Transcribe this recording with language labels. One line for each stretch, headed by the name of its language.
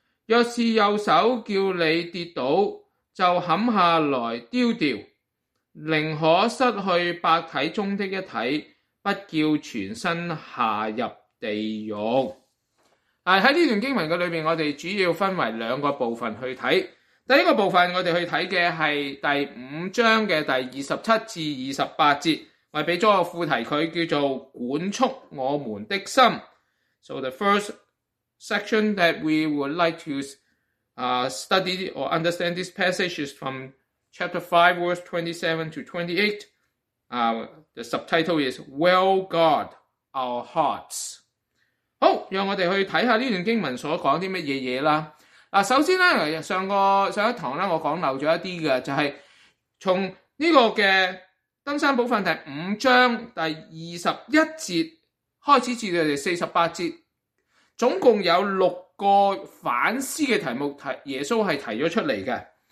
Chinese: 若是右手叫你跌倒，就砍下来丢掉，宁可失去百体中的一体，不叫全身下入地狱。在这段经文里面，我们主要分为两个部分去看。第一个部分我们去看的是第五章的第27至28节，我给了一个副题，它叫做管束我们的心。
English: So the first section that we would like to study or understand this passage is from chapter 5 verse 27 to 28. The subtitle is Well God our hearts。
Chinese: 好，让我们去看看这段经文所讲的什么东西。首先呢，上一堂呢我讲漏了一些的，就是从这个的登山宝训第五章第21节开始至到第48节，总共有6个反思的题目耶稣是提了出来的。